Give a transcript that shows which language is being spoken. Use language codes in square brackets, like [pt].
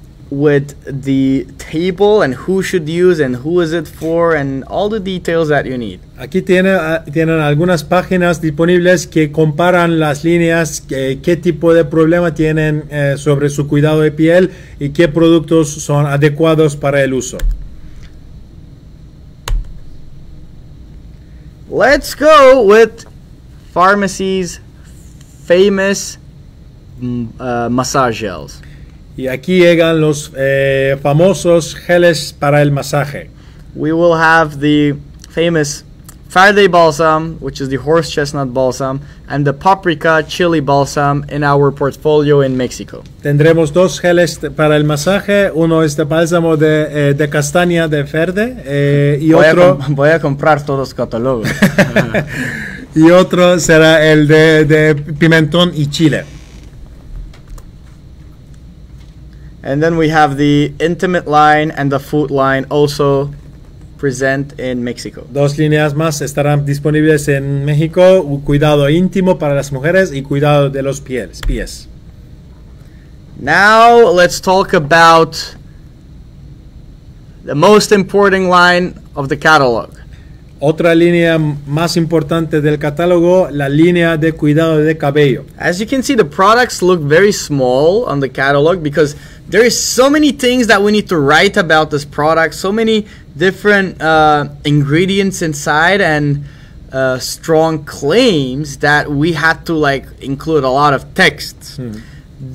[en] with the table and who should use and who is it for and all the details that you need. [es] Aquí tienen algunas páginas disponibles que comparan las líneas, qué tipo de problema tienen sobre su cuidado de piel y qué productos son adecuados para el uso. [en] Let's go with Farmasi's famous massage gels. [es] Y aquí llegan los famosos geles para el masaje. [en] We will have the famous Faraday balsam, which is the horse chestnut balsam, and the paprika chili balsam in our portfolio in Mexico. [es] Tendremos dos geles para el masaje. Uno es de bálsamo de castaña de verde y voy otro... voy a comprar todos catalogos. Y otro será el de pimentón y chile. [en] And then we have the intimate line and the foot line also present in Mexico. [es] Dos líneas más estarán disponibles en México, cuidado íntimo para las mujeres y cuidado de los pies. [en] Now let's talk about the most important line of the catalog. [es] Otra línea más importante del catálogo, la línea de cuidado de cabello. [en] As you can see, the products look very small on the catalog because there is so many things that we need to write about this product, so many different ingredients inside and strong claims that we had to like include a lot of texts. Hmm.